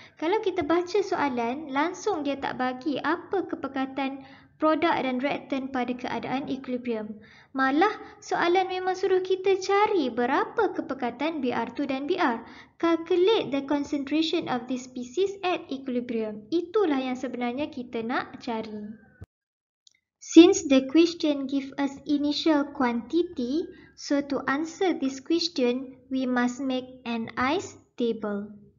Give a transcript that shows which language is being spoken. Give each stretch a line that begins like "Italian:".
Malay: Kalau kita baca soalan, langsung dia tak bagi apa kepekatan produk dan reactant pada keadaan equilibrium. Malah, soalan memang suruh kita cari berapa kepekatan Br2 dan Br.
English: Calculate the concentration of this species at equilibrium.
Malay: Itulah yang sebenarnya kita nak cari.
English: Since the question give us initial quantity, so to answer this question, we must make an ice table.